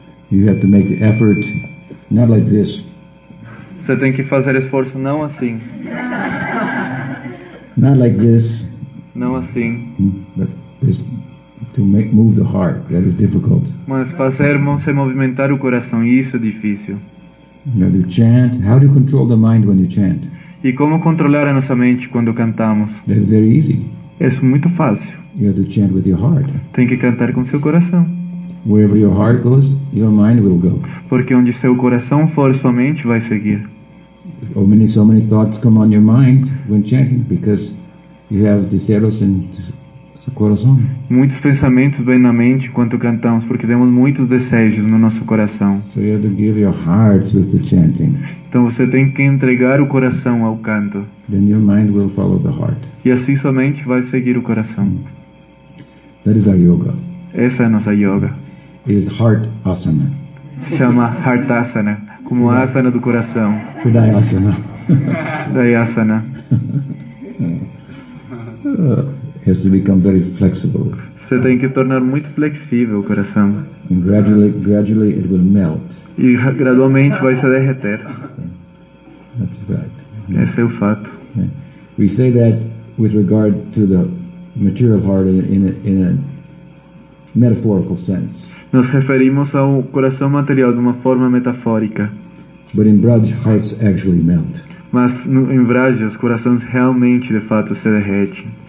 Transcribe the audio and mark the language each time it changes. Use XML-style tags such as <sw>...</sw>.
<en>You have to make effort, not like this.</en> <pt>Você tem que fazer esforço não assim.</pt> <en>Not like this.</en> <pt>Não assim.</pt> <en>But this, to make, move the heart, that is difficult.</en> <pt>Mas fazer se movimentar o coração, isso é difícil.</pt> <en>You have to chant. How do you control the mind when you chant?</en> <pt>E como controlar a nossa mente quando cantamos?</pt> <en>That is very easy.</en> <pt>É muito fácil.</pt> <en>You have to chant with your heart.</en> <pt>Tem que cantar com seu coração.</pt> <en>Wherever your heart goes, your mind will go.</en> <pt>Porque onde seu coração for, sua mente vai seguir.</pt> <en>So many thoughts come on your mind when chanting, because you have the zeros in the coração.</en> <pt>Muitos pensamentos vêm na mente enquanto cantamos, porque temos muitos desejos no nosso coração.</pt> <en>So you have to give your heart with the chanting.</en> <pt>Então você tem que entregar o coração ao canto.</pt> <en>Then your mind will follow the heart.</en> <pt>E assim sua mente vai seguir o coração.</pt> <en>That is our yoga.</en> <pt>Essa é a nossa yoga.</pt> <en>It is heart asana.</en> <pt>Se chama</pt> <en>heart asana,</en> <pt>como asana do coração.</pt> <sa>Hridayasana. Hridayasana.</sa> <en>Has to become very flexible.</en> <pt>Você tem que tornar muito flexível o coração.</pt> <en>And gradually it will melt.</en> <pt>E gradualmente vai se derreter.</pt> <en>That's right.</en> <pt>Esse é o fato.</pt> <en>We say that with regard to the material heart in a metaphorical sense.</en> <pt>Nós referimos ao coração material de uma forma metafórica.</pt> <en>But in Braj, hearts actually melt.</en> <pt>Mas em Braj, os corações realmente, de fato, se derretem.</pt>